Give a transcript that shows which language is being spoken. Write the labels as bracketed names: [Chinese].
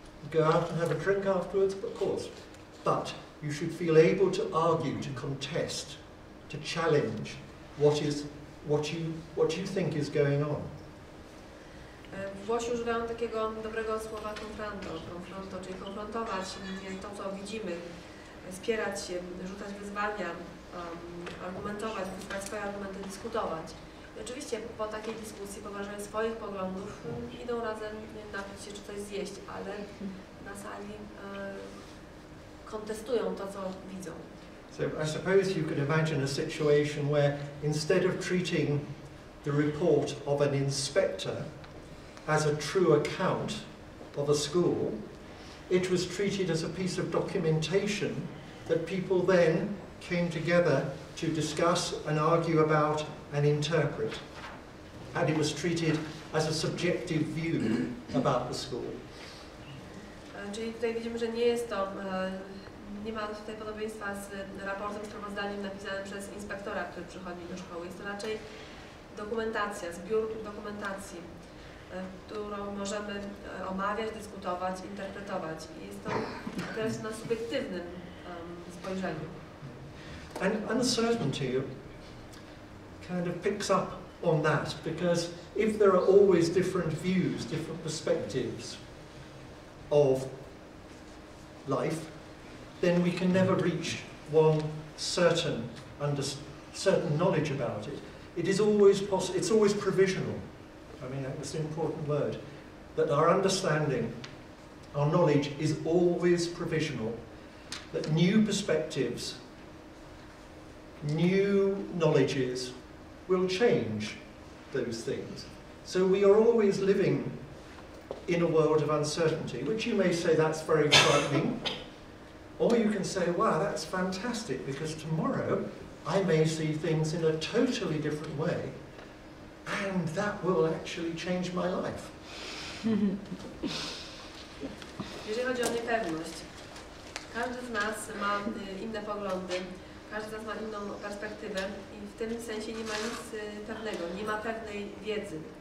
[English] Go out and have a drink afterwards, of course, but you should feel able to argue, to contest, to challenge what you think is going on. [Polish] Włosi używają takiego dobrego słowa konfronto, czyli konfrontować to, co widzimy, spierać się, rzucać wyzwania, argumentować, wysłuchać swoje argumenty, dyskutować. I oczywiście po takiej dyskusji, poważając swoich poglądów, idą razem napić się czy coś zjeść, ale na sali kontestują to, co widzą. [English] So I suppose you could imagine a situation where instead of treating the report of an inspector as a true account of a school, it was treated as a piece of documentation that people then came together to discuss and argue about and interpret. And it was treated as a subjective view about the school. [Polish] Czyli tutaj widzimy, że nie jest to, nie ma tutaj podobieństwa z raportem, sprawozdaniem napisanym przez inspektora, który przychodzi do szkoły. Jest to raczej dokumentacja, zbiór dokumentacji, którą możemy omawiać, dyskutować, interpretować. I jest to teraz na subiektywnym spojrzeniu. [English] And uncertainty kind of picks up on that, because if there are always different views, different perspectives of life, then we can never reach one certain knowledge about it. It is always possible, it's always provisional. I mean, that's an important word, that our understanding, our knowledge is always provisional, that new perspectives, new knowledges will change those things. So we are always living in a world of uncertainty, which you may say that's very frightening, or you can say, wow, that's fantastic, because tomorrow I may see things in a totally different way, and that will actually change my life. [Polish] Jeżeli chodzi o niepewność, każdy z nas ma inne poglądy, każdy z nas ma inną perspektywę i w tym sensie nie ma nic pewnego, nie ma pewnej wiedzy.